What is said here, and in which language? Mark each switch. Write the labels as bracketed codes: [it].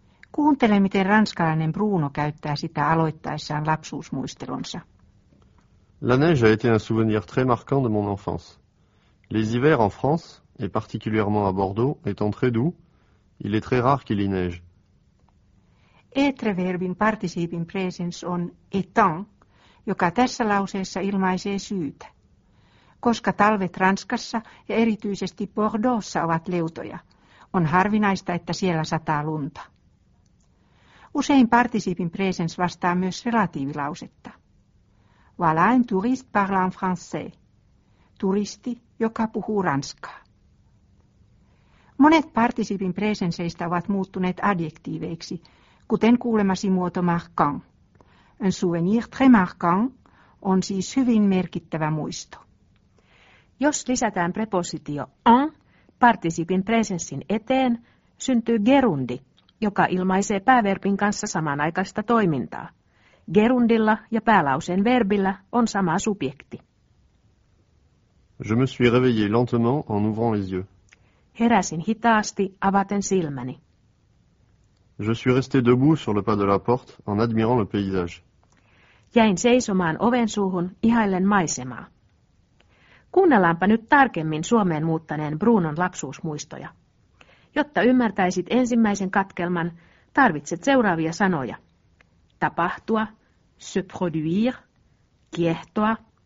[fi] Kuuntele, miten ranskalainen Bruno käyttää sitä aloittaessaan lapsuusmuistelonsa. [fr] La neige a été un souvenir très marquant de mon enfance. Les hivers en France, et particulièrement à Bordeaux, étant très doux, il est très rare qu'il y neige. [fi] Etre-verbin participin presens on étant, joka tässä lauseessa ilmaisee syytä. Koska talvet Ranskassa ja erityisesti Bordeauxssa ovat leutoja, on harvinaista, että siellä sataa lunta. Usein participin presens vastaa myös relatiivilausetta. [fr] Voilà un touriste parle en français. [fi] Turisti, joka puhuu ranskaa. Monet participin presenseistä ovat muuttuneet adjektiiveiksi, kuten kuulemasi muoto marquant. [fr] Un souvenir très marquant [fi] on siis hyvin merkittävä muisto. Jos lisätään prepositio en participin presenssin eteen, syntyy gerundi, joka ilmaisee pääverbin kanssa samanaikaista toimintaa. Gerundilla ja päälauseen verbillä on sama subjekti. [fr] Je me suis réveillé lentement en ouvrant les yeux. [fi] Heräsin hitaasti avaten silmäni. [fr] Je suis resté debout sur le pas de la porte en admirant le paysage. [fi] Jäin seisomaan oven suuhun ihaillen maisemaa. Kuunnellaanpa nyt tarkemmin Suomeen muuttaneen Brunon lapsuusmuistoja. Jotta ymmärtäisit ensimmäisen katkelman, tarvitset seuraavia sanoja. Tapahtua, se produire, kiehtoa,